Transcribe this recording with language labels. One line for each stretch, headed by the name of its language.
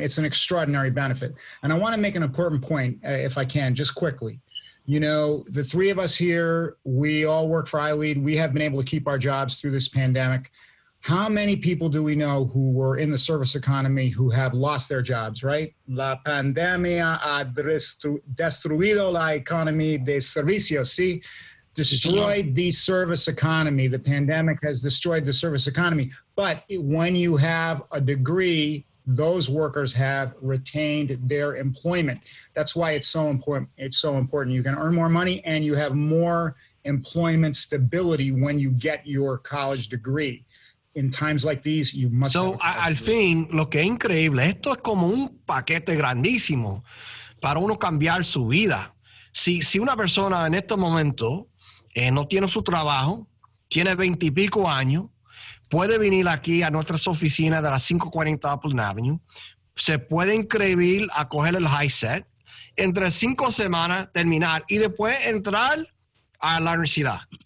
English: It's an extraordinary benefit. And I want to make an important point, if I can, just quickly. You know, the three of us here, we all work for iLead. We have been able to keep our jobs through this pandemic. How many people do we know who were in the service economy who have lost their jobs, right?
Spanish: La pandemia ha destruido la economía de servicios, ¿sí?
English: Destroyed the service economy. The pandemic has destroyed the service economy. But when you have a degree, those workers have retained their employment. That's why it's so important. It's so important. You can earn more money and you have more employment stability when you get your college degree. In times like these, you must.
Spanish: So, al fin, lo que es increíble, esto es como un paquete grandísimo para uno cambiar su vida. Si una persona en este momento no tiene su trabajo, tiene 20 y pico años, puede venir aquí a nuestras oficinas de las 540 Appleton Avenue, se puede inscribir a coger el high set, entre 5 semanas terminar y después entrar a la universidad.